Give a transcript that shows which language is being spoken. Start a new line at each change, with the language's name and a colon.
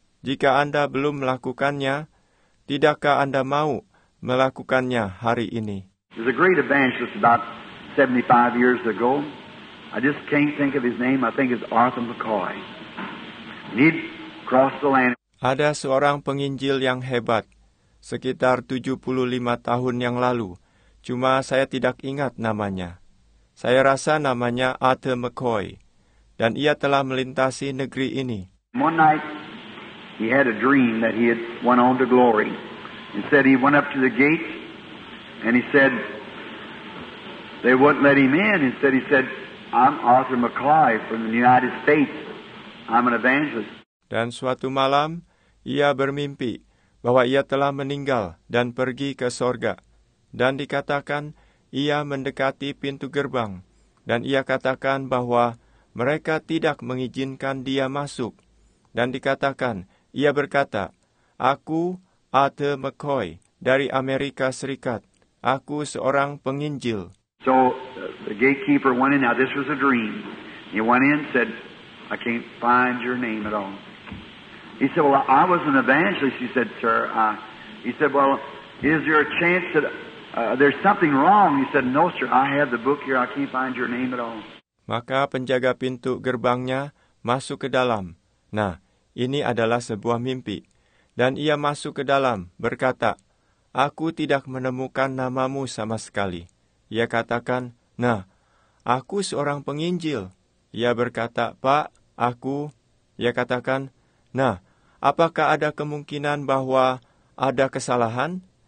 Indonesian: Jika Anda belum melakukannya, tidakkah Anda mau melakukannya hari ini?
English: There's a great evangelist about 75 years ago. I just can't think of his name. I think it's Arthur McCoy. He'd crossed the land.
Indonesian: Ada seorang penginjil yang hebat sekitar 75 tahun yang lalu. Cuma saya tidak ingat namanya. Saya rasa namanya Arthur McCoy. Dan ia telah melintasi negeri ini.
English: One night, he had a dream that he had went on to glory. He said he went up to the gate, and he said, they wouldn't let him in. He said, I'm Arthur McCoy from the United States. I'm an evangelist.
Indonesian: Dan suatu malam, ia bermimpi bahwa ia telah meninggal dan pergi ke sorga. Dan dikatakan, ia mendekati pintu gerbang. Dan ia katakan bahwa mereka tidak mengizinkan dia masuk. Dan dikatakan, ia berkata, aku Arthur McCoy dari Amerika Serikat. Aku seorang penginjil.
English: So the gatekeeper went in. Now this was a dream. He went in and said, I can't find your name at all. He said, well, I was an evangelist, he said, sir. He said, is there a chance that there's something wrong? He said, no, sir, I have the book here. I can't find your name at all.
Indonesian: Maka penjaga pintu gerbangnya masuk ke dalam. Nah, ini adalah sebuah mimpi. Dan ia masuk ke dalam, berkata, aku tidak menemukan namamu sama sekali. Ia katakan, nah, aku seorang penginjil. Ia berkata, pak, aku. Ia katakan, nah, apakah ada kemungkinan bahwa ada kesalahan?